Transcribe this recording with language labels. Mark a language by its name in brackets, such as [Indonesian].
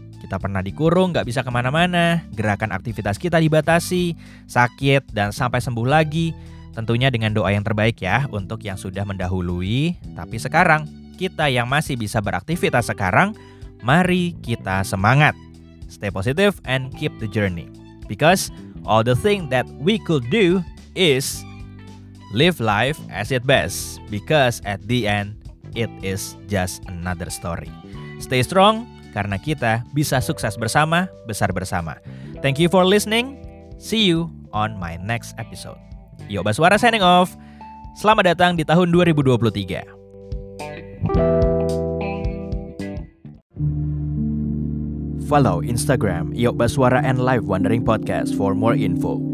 [Indonesian] Kita pernah dikurung, gak bisa kemana-mana, gerakan aktivitas kita dibatasi, sakit, dan sampai sembuh lagi. Tentunya dengan doa yang terbaik ya untuk yang sudah mendahului. Tapi sekarang, kita yang masih bisa beraktivitas sekarang, mari kita semangat. [English] Stay positive and keep the journey. Because all the thing that we could do is live life as it best. Because at the end, it is just another story. Stay strong, [Indonesian] karena kita bisa sukses bersama, besar bersama. [English] Thank you for listening. See you on my next episode. Yo, Baswara signing off. [Indonesian] Selamat datang di tahun 2023. [English] Follow Instagram Yo Baswara and Live Wondering Podcast for more info.